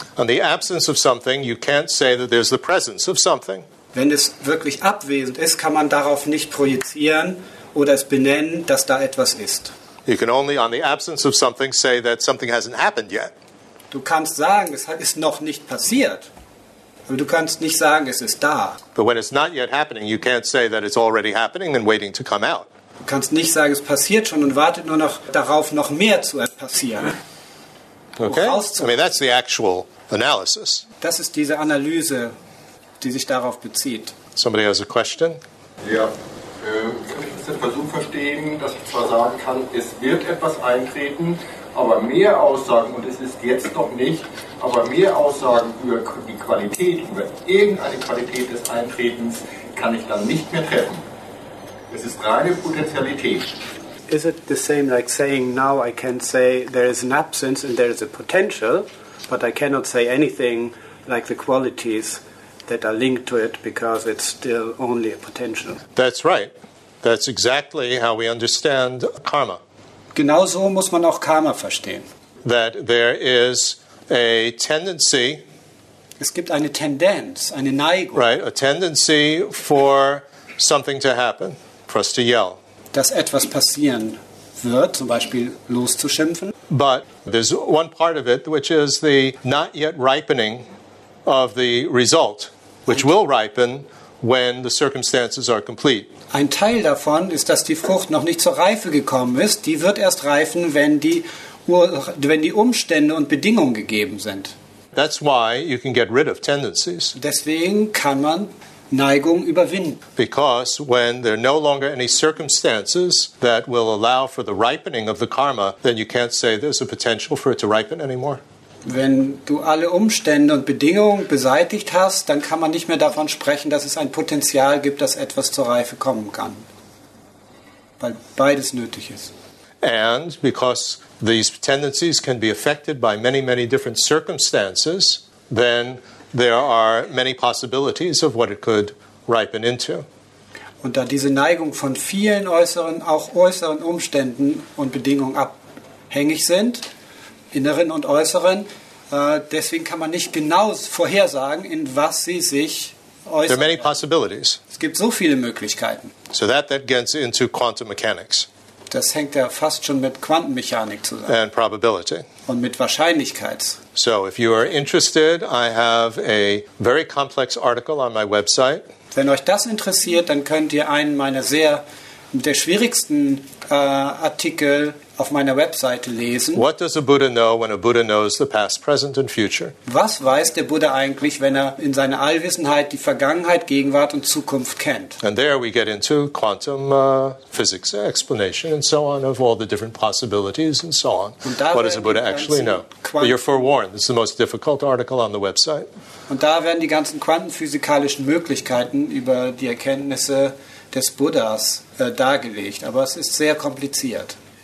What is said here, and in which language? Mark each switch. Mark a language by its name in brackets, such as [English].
[English] On the absence of something, you can't say that there's the presence of something. [German] Wenn es wirklich abwesend ist, kann man darauf nicht projizieren oder es benennen, dass da etwas ist. [English] You can only on the absence of something say that something hasn't happened yet. [German] Du kannst sagen, es ist noch nicht passiert. Aber du kannst nicht sagen, es ist da. [English] But when it's not yet happening, you can't say that it's already happening and waiting to come out. [German] Du kannst nicht sagen, es passiert schon und wartet nur noch darauf, noch mehr zu passieren. [English] Okay? I mean, that's the actual analysis. [German] Das ist diese Analyse, die sich darauf bezieht. [English] Somebody has a question? [German] Ja. Kann ich das den Versuch verstehen, dass ich zwar sagen kann, es wird etwas eintreten, aber mehr Aussagen, und es ist jetzt noch nicht, aber mehr Aussagen über die Qualität, über irgendeine Qualität des Eintretens, kann ich dann nicht mehr treffen. Es ist reine Potentialität. [English] Is it the same like saying now I can say there is an absence and there is a potential, but I cannot say anything like the qualities that are linked to it because it's still only a potential? That's right. That's exactly how we understand karma. [German] Genauso muss man auch Karma verstehen. [English] That there is a tendency [German] Es gibt eine Tendenz, eine Neigung. [English] Right, a tendency for something to happen, for us to yell. [German] Dass etwas passieren wird, zum Beispiel loszuschimpfen. [English] But there's one part of it, which is the not yet ripening of the result, which will ripen when the circumstances are complete. [German] Ein Teil davon ist, dass die Frucht noch nicht zur Reife gekommen ist. Die wird erst reifen, wenn die Umstände und Bedingungen gegeben sind. [English] That's why you can get rid of tendencies. [German] Deswegen kann man Neigung überwinden. [English] Because when there are no longer any circumstances that will allow for the ripening of the karma, then you can't say there's a potential for it to ripen anymore. [German] Wenn du alle Umstände und Bedingungen beseitigt hast, dann kann man nicht mehr davon sprechen, dass es ein Potenzial gibt, dass etwas zur Reife kommen kann. Weil beides nötig ist. [English] And because these tendencies can be affected by many, many different circumstances, then there are many possibilities of what it could ripen into. [German] Und da diese Neigung von vielen äußeren, auch äußeren Umständen und Bedingungen abhängig sind, inneren und äußeren, deswegen kann man nicht genau vorhersagen, in was sie sich äußern. [English] There are many possibilities. [German] Es gibt so viele Möglichkeiten. [English] So that gets into quantum mechanics. [German] Das hängt ja fast schon mit Quantenmechanik zusammen. [English] And probability. [German] Und mit Wahrscheinlichkeit. [English] So if you are interested, I have a very complex article on my website. [German] Wenn euch das interessiert, dann könnt ihr einen meiner schwierigsten Artikel auf meiner Webseite lesen. [English] What does a Buddha know when a Buddha knows the past, present and future? [German] Was weiß der Buddha eigentlich, wenn er in seiner Allwissenheit die Vergangenheit, Gegenwart und Zukunft kennt? [English] And there we get into quantum physics explanation and so on of all the different possibilities and so on. What does a Buddha actually know? But you're forewarned. This is the most difficult article on the website. [German] Und da werden die ganzen quantenphysikalischen Möglichkeiten über die Erkenntnisse des Buddhas dargelegt, aber es ist sehr kompliziert.